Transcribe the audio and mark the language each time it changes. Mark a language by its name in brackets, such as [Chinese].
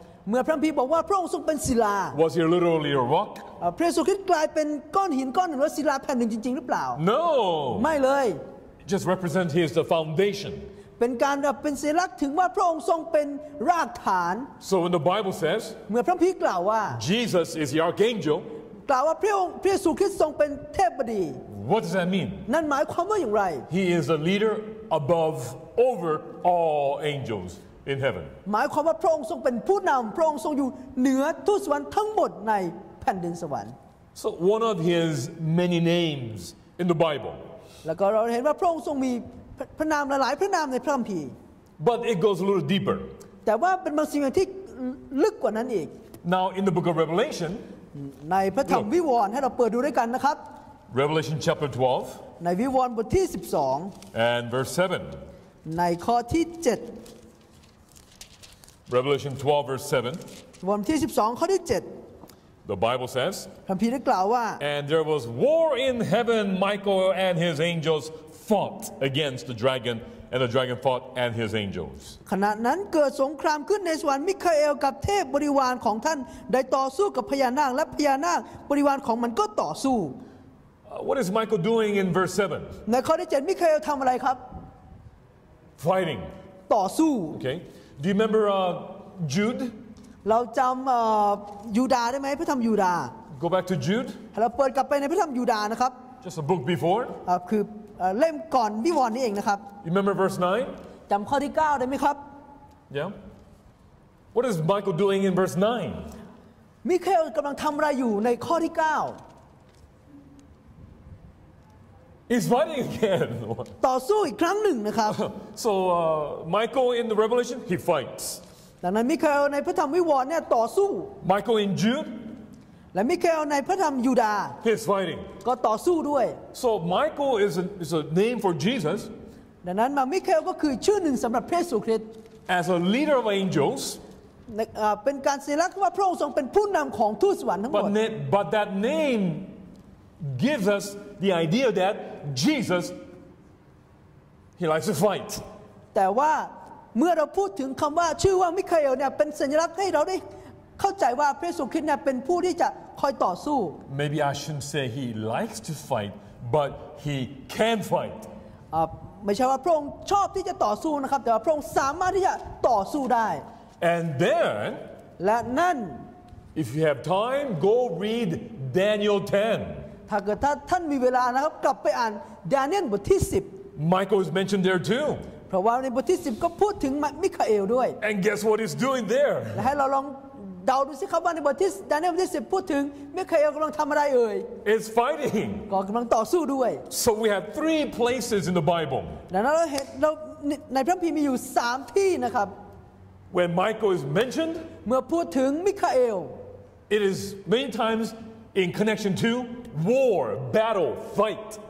[Thai] เมื่อพระคัมภีร์บอกว่าพระองค์ทรงเป็นศิลา [English] Was he literally a rock? [Thai] พระเยซูคริสต์กลายเป็นก้อนหินก้อนหนึ่งหรือศิลาแผ่นหนึ่งจริงๆหรือเปล่า [English] No [Thai] ไม่เลย [English] Just represent he is the foundation [Thai] เป็นการเป็นสัญลักษณ์ถึงว่าพระองค์ทรงเป็นรากฐาน [English] So when the Bible says [Thai] เมื่อพระคัมภีร์กล่าวว่า [English] Jesus is the archangel [Thai] กล่าวว่าพระเยซูคริสต์ทรงเป็นเทพบดี [English] What does that mean? [Thai] นั่นหมายความว่าอย่างไร [English] He is a leader above over all angels in heaven [Thai] หมายความว่าพระองค์ทรงเป็นผู้นำพระองค์ทรงอยู่เหนือทูตสวรรค์ทั้งหมดในแผ่นดินสวรรค์ [English] So one of his many names in the Bible [Thai] แล้วก็เราเห็นว่าพระองค์ทรงมีพระนามหลายๆพระนามในพระคัมภีร์ [English] But it goes a little deeper [Thai] แต่ว่าเป็นบางสิ่งที่ลึกกว่านั้นอีก [English] Now in the book of Revelation [Thai] ในพระธรรมวิวรณ์ให้เราเปิดดูด้วยกันนะครับ [English] Revelation chapter 12 [Thai] ในวิวรณ์บทที่12 [English] and verse 7 [Thai] ในข้อที่7 [English] Revelation 12 verse 7. [Thai] บทที่12ข้อที่7 [English] The Bible says. [Thai] พระคัมภีร์ได้กล่าวว่า [English] And there was war in heaven. Michael and his angels fought against the dragon, and the dragon fought and his angels. [Thai] ขณะนั้นเกิดสงครามขึ้นในสวรรค์มิคาเอลกับเทพบริวารของท่านได้ต่อสู้กับพญานาคและพญานาคบริวารของมันก็ต่อสู้ [English] What is Michael doing in verse 7? [Thai] ในข้อที่7มิคาเอลทำอะไรครับ [English] Fighting. [Thai] ต่อสู้ [English] Okay. Do you remember Jude? [Thai] เราจำยูดาได้ไหมพระธรรมยูดา [English] Go back to Jude. [Thai] เราเปิดกลับไปในพระธรรมยูดานะครับ [English] Just a book before. [Thai] คือเล่มก่อนวิวรณ์นี่เองนะครับ [English] You remember verse 9? [Thai] จำข้อที่9ได้ไหมครับ [English] Yeah. What is Michael doing in verse 9? [Thai] มิเคลกำลังทำอะไรอยู่ในข้อที่9 [English] He's fighting again. [Thai] ต่อสู้อีกครั้งหนึ่งนะครับ [English] So Michael in the Revelation he fights. [Thai] ดังนั้นมิคาเอลในพระธรรมวิวรณ์เนี่ยต่อสู้ [English] Michael in Jude. [Thai] และมิคาเอลในพระธรรมยูดา [English] He's fighting. [Thai] ก็ต่อสู้ด้วย [English] So Michael is a name for Jesus. [Thai] ดังนั้นมิคาเอลก็คือชื่อหนึ่งสำหรับพระเยซูคริสต์ [English] As a leader of angels. [Thai] เป็นการสัญลักษณ์ว่าพระองค์ทรงเป็นผู้นำของทูตสวรรค์ทั้งหมด [English] But that name gives us the idea that. Jesus he likes to fight [Thai] แต่ว่าเมื่อเราพูดถึงคำว่าชื่อว่ามิคาเอลเนี่ยเป็นสัญลักษณ์ให้เราได้เข้าใจว่าพระเยซูคริสต์เนี่ยเป็นผู้ที่จะคอยต่อสู้ [English] Maybe I shouldn't say he likes to fight but he can fight [Thai] ไม่ใช่ว่าพระองค์ชอบที่จะต่อสู้นะครับแต่ว่าพระองค์สามารถที่จะต่อสู้ได้ [English] And then [Thai] และนั่น [English] If you have time go read Daniel 10 [Thai] ถ้าเกิดท่านมีเวลานะครับกลับไปอ่านดาเนียลบทที่10 [English] Michael is mentioned there too [Thai] เพราะว่าในบทที่10ก็พูดถึงมิคาเอลด้วย [English] And guess what he's doing there [Thai] และให้เราลองเดาดูสิครับว่าในบทที่ดาเนียลบทที่10พูดถึงมิคาเอลกำลังทำอะไรเอ่ย [English] It's fighting [Thai] ก็กำลังต่อสู้ด้วย [English] So we have three places in the Bible [Thai] ดังนั้นเราในพระคัมภีร์มีอยู่3ที่นะครับ [English] When Michael is mentioned [Thai] เมื่อพูดถึงมิคาเอล [English] It is many times in connection toWar, battle, fight.